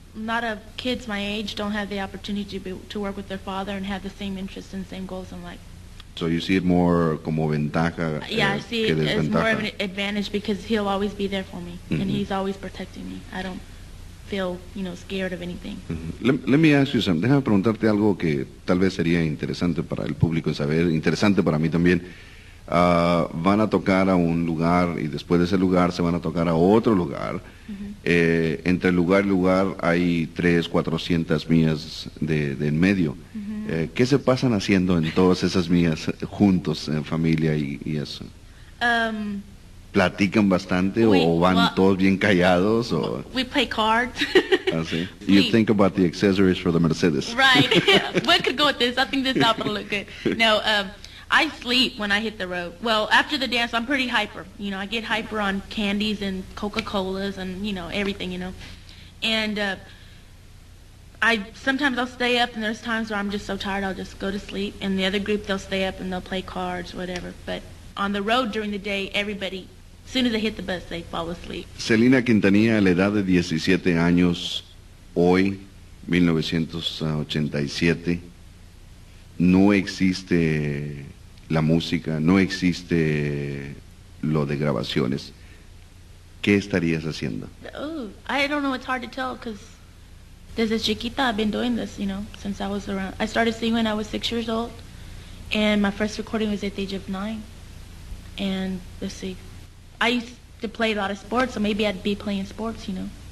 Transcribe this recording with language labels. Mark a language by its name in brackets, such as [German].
[English] not of kids my age don't have the opportunity to, be, to work with their father and have the same interests and same goals in life. So you see it more [Spanish] como ventaja. [English] Yeah, I see it as more of an advantage because he'll always be there for me, mm-hmm. and he's always protecting me. I don't feel, you know, scared of anything. Mm-hmm. Let me ask you something. [Spanish] Déjame preguntarte algo que tal vez sería interesante para el público saber, interesante para mí también. Van a tocar a un lugar y después de ese lugar se van a tocar a otro lugar. Uh-huh. Entre lugar y lugar hay 300-400 millas de en medio. Uh-huh. ¿Qué se pasan haciendo en todas esas millas juntos, en familia y eso? ¿Platican bastante o van todos bien callados? O... [English] We play cards. [Spanish] Ah, ¿sí? [English] You think about the accessories for the Mercedes. Right. What could go with this? I think this outfit will look good. No, I sleep when I hit the road. Well, after the dance, I'm pretty hyper. You know, I get hyper on candies and Coca-Colas and, you know, everything, you know. And sometimes I'll stay up, and there's times where I'm just so tired, I'll just go to sleep. And the other group, they'll stay up, and they'll play cards, whatever. But on the road during the day, everybody, as soon as they hit the bus, they fall asleep. [Spanish] Celina Quintanilla, a la edad de 17 años, hoy, 1987, no existe la música, no existe lo de grabaciones. ¿Qué estarías haciendo? [English] Oh, I don't know, it's hard to tell because [Spanish] desde chiquita [English] I've been doing this, you know, since I was around. I started singing when I was 6 years old and my first recording was at the age of 9. And let's see, I used to play a lot of sports, so maybe I'd be playing sports, you know.